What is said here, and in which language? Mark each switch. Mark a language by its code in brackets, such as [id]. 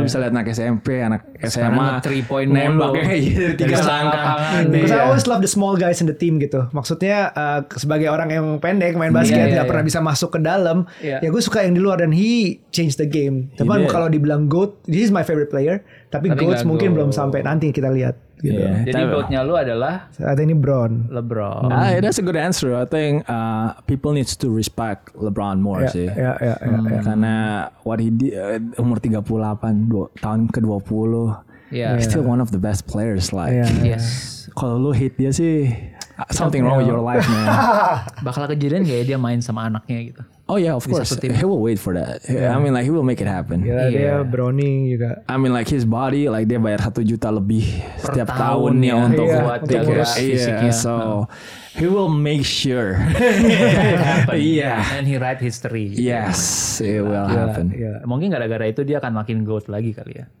[id] Lu bisa lihat anak SMP, anak SMA. 3 point nembak. Tiga langkah. [en] Because I always love the small guys in the team gitu. [id] Maksudnya sebagai orang yang pendek main basket. Gak pernah bisa masuk ke dalam. Ya gue suka yang di luar. Dan [en] he changed the game. [id] Cuman kalau dibilang [en] GOAT, this is my favorite player. [id] Tapi GOAT mungkin belum sampai. Nanti kita lihat. Gitu. Jadi GOAT-nya lu adalah? [en] I think [id] ini [en] Bron. LeBron. That's a good answer. I think people needs to respect LeBron more sih. [id] Karena [en] what he did, [id] umur 38, tahun ke-20. [en] He's still one of the best players. [id] Kalau lu hit dia sih, [en] something wrong with your life, man. [id] Bakal kejadian gak ya dia main sama anaknya gitu? [en] Oh yeah, of course. He will wait for that. Yeah. I mean like he will make it happen. [id] Dia Browning juga. [en] I mean like his body, like [id] dia bayar 1 juta lebih per setiap tahun ya untuk buat dia fisiknya. [en] So he will make sure happen. Yeah. And he write history. Yes, it will happen. Yeah. [id] Mungkin gara-gara itu dia akan makin GOAT lagi kali ya.